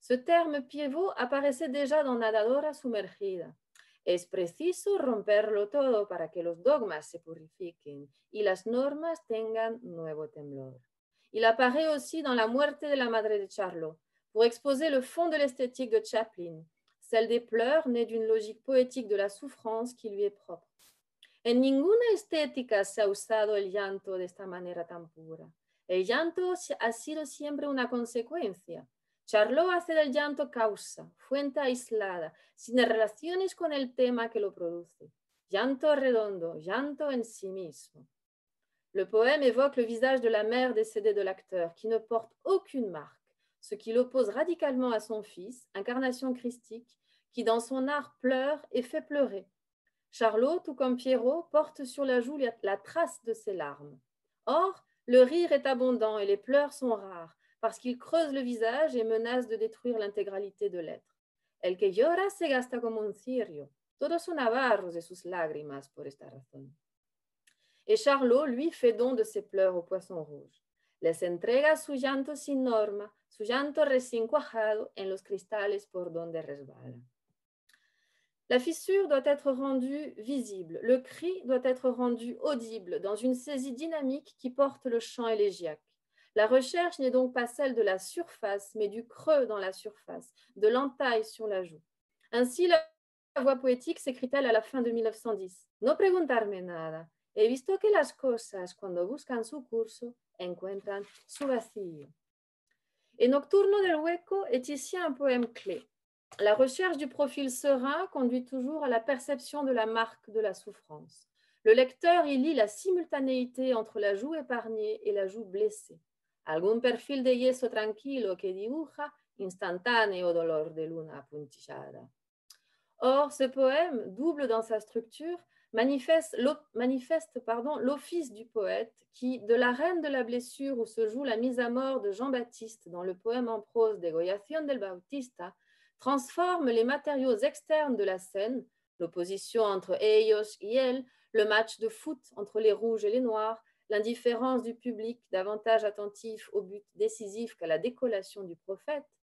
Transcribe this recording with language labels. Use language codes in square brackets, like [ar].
[fr] Ce terme pivot apparaissait déjà dans [es] « Nadadora sumergida ».« Es preciso romperlo todo para que los dogmas se purifiquen y las normas tengan nuevo temblor ». [fr] Il apparaît aussi dans La Muerte de la Madre de Charlot, pour exposer le fond de l'esthétique de Chaplin, celle des pleurs née d'une logique poétique de la souffrance qui lui est propre. [es] En ninguna estética se ha usado el llanto de esta manera tan pura. El llanto ha sido siempre una consecuencia. Charlot hace del llanto causa, fuente aislada, sin relaciones con el tema que lo produce. Llanto redondo, llanto en sí mismo. [fr] Le poème évoque le visage de la mère décédée de l'acteur, qui ne porte aucune marque, ce qui l'oppose radicalement à son fils, incarnation christique, qui dans son art pleure et fait pleurer. Charlot, tout comme Pierrot, porte sur la joue la trace de ses larmes. Or, Le rire est abondant et les pleurs sont rares, parce qu'ils creusent le visage et menacent de détruire l'intégralité de l'être. [es] El que llora se gasta como un cirio. Todos son avaros de sus lágrimas por esta razón. [fr] Et Charlot, lui, fait don de ses pleurs au poisson rouge. [es] Les entrega su llanto sin norma, su llanto recién cuajado en los cristales por donde resbala. [fr] La fissure doit être rendue visible, le cri doit être rendu audible dans une saisie dynamique qui porte le chant élégiaque. La recherche n'est donc pas celle de la surface, mais du creux dans la surface, de l'entaille sur la joue. Ainsi, la voix poétique s'écrit-elle à la fin de 1910. [es] No preguntarme nada. He visto que las cosas, cuando buscan su curso, encuentran su vacío. [fr] Et Nocturno del Hueco est ici un poème clé. La recherche du profil serein conduit toujours à la perception de la marque de la souffrance. Le lecteur y lit la simultanéité entre la joue épargnée et la joue blessée. [es] Algún perfil de yeso tranquilo que dibuja instantáneo dolor de luna apuntillada. [fr] Or, ce poème, double dans sa structure, manifeste l'office du poète qui, de la reine de la blessure où se joue la mise à mort de Jean-Baptiste dans le poème en prose Degollación del Bautista, transforme les matériaux externes de la scène, l'opposition entre [es] ellos y él, [fr] le match de foot entre les rouges et les noirs, l'indifférence du public davantage attentif au but décisif qu'à la décollation du prophète,